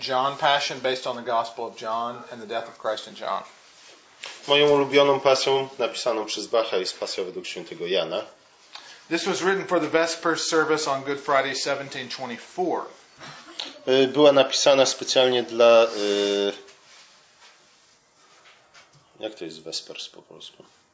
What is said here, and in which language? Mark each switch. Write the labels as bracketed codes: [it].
[en] John Passion, based on the Gospel of John and the death of Christ in John. [pl] Moją ulubioną pasją napisaną przez Bacha jest pasja według świętego Jana. [en] This was written for the Vespers service on Good Friday 1724. [pl] Była napisana specjalnie dla... Jak to jest Vespers po polsku?